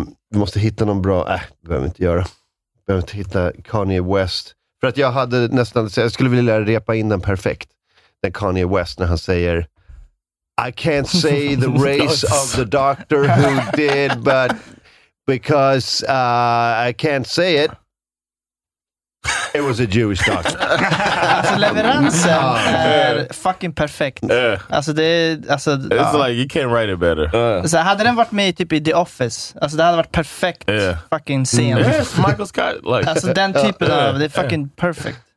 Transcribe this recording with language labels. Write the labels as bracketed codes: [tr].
[sv] Vi måste hitta någon bra... det behöver vi inte göra. Vi behöver inte hitta Kanye West. För att jag hade nästan... Jag skulle vilja repa in den perfekt. Den Kanye West när han säger... [en] I can't say the race of the doctor who did, but... Because I can't say it. It was a Jewish doctor. [sv] Alltså leveransen är fucking perfekt. Alltså det är, alltså, [en] it's like you can't write it better. [sv] Så hade den varit med typ i The Office, alltså det hade varit perfekt fucking scen. [en] Michael Scott, like. [sv] Alltså den typen av, det är [en] fucking perfect.